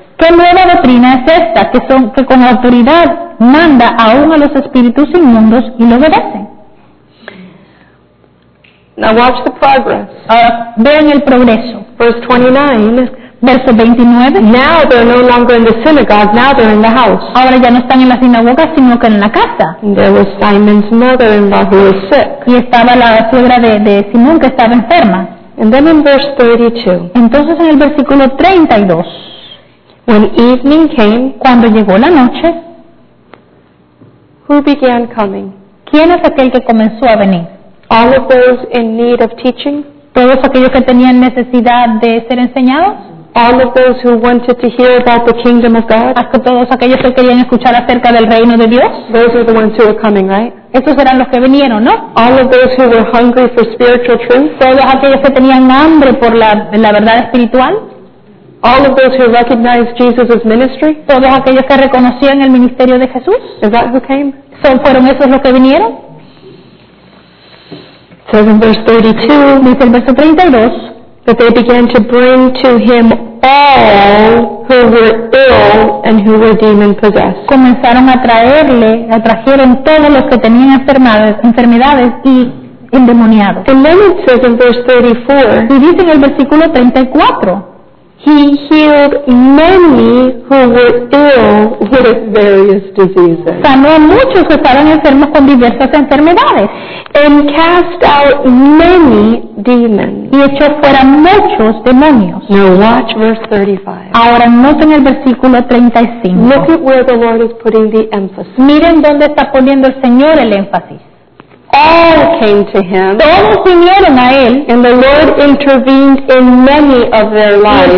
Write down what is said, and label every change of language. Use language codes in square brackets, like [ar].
[es] ¿Qué nueva doctrina es esta que con autoridad manda aún a los espíritus inmundos y lo obedecen? [en] Now watch the progress. [es] Vean el progreso. [en] Verse 29. [es] Verso 29. [en] Now they're no longer in the synagogue. Now they're in the house. [es] Ahora ya no están en la sinagoga, sino que en la casa. [en] There was Simon's mother-in-law who was sick. [es] Y estaba la suegra de Simón que estaba enferma. [en] And then in verse 32. [es] Entonces en el versículo 32. [en] When evening came. [es] Cuando llegó la noche. [en] Who began coming? [es] ¿Quién es aquel que comenzó a venir? [en] All of those in need of teaching. [es] Todos aquellos que tenían necesidad de ser enseñados. [en] All of those who wanted to hear about the kingdom of God. [es] Hasta todos aquellos que querían escuchar acerca del reino de Dios. [en] Those are the ones who are coming, right? [es] Estos eran los que vinieron, ¿no? [en] All of those who were hungry for spiritual truth. [es] Todos aquellos que tenían hambre por la verdad espiritual. [en] All of those who recognized Jesus' ministry. [es] Todos aquellos que reconocían el ministerio de Jesús. [en] Is that who came? [es] ¿Fueron esos los que vinieron? [en] Says in verse 32. [es] Dice el verso 32. [en] That they began to bring to him all who were ill and who were demon possessed. [es] Comenzaron a traerle, a trajeron todos los que tenían enfermedades y endemoniados. [en] And then it says in verse 34. [es] Y dice en el versículo 34. [en] He healed many who were ill with various diseases. [es] Sanó a muchos que estaban enfermos con diversas enfermedades. [en] And cast out many demons. [es] Y echó fuera muchos demonios. [en] Now watch verse 35. [es] Ahora noten el versículo 35. [en] Look at where the Lord is putting the emphasis. [es] Miren dónde está poniendo el Señor el énfasis. [en] All came to him. [es] Todos vinieron a él. [en] And the Lord intervened in many of their lives.